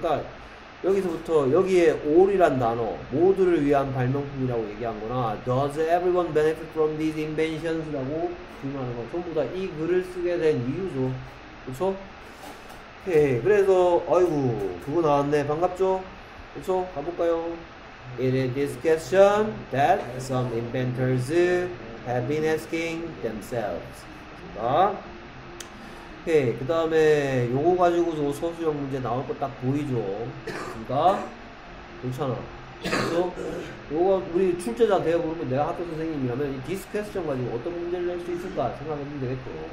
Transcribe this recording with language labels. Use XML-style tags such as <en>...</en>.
<ko>그러니까 여기서부터 여기에 all이란 단어 모두를 위한 발명품이라고 얘기한 거나</ko> <en>Does everyone benefit from these inventions?</en> <ko>라고 질문하는 건 전부 다 이 글을 쓰게 된 이유죠. 그쵸? 오케이, 그래서 아이고 그거 나왔네. 반갑죠? 그쵸? 가볼까요?</ko> <en>It is this question that some inventors have been asking themselves. 아?</en> <ko>오케이, 그 다음에 요거 가지고도 서술형 문제 나올 거 딱 보이죠? 그니까 괜찮아. 그래서 요거 우리 출제자 되어 보면 내가 학교 선생님이라면 이 this question 가지고 어떤 문제를 낼 수 있을까 생각하면 되겠죠.</ko>